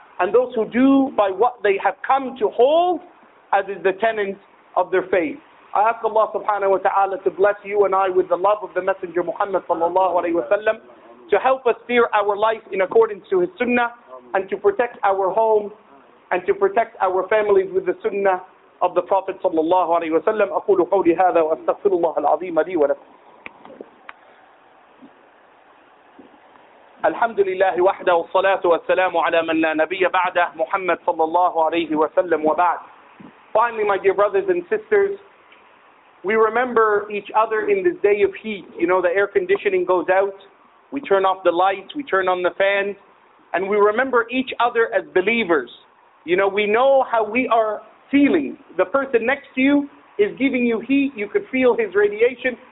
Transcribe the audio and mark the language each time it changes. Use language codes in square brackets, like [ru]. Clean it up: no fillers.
[en] And those who do by what they have come to hold as is the tenet of their faith. I ask Allah subhanahu wa ta'ala to bless you and I with the love of the Messenger Muhammad sallallahu alayhi wa sallam, to help us steer our life in accordance to his sunnah, and to protect our home, and to protect our families with the sunnah of the Prophet sallallahu alayhi wa sallam. [ar] أقول قولي هذا وأستغفر الله العظيم لي ولكم. الحمد لله وحده والصلاة والسلام على من لا نبي بعده محمد صلى الله عليه وسلم وبعد. [en] Finally, my dear brothers and sisters, we remember each other in this day of heat. You know, the air conditioning goes out, we turn off the lights, we turn on the fans, and we remember each other as believers. You know, we know how we are feeling. The person next to you is giving you heat, you could feel his radiation.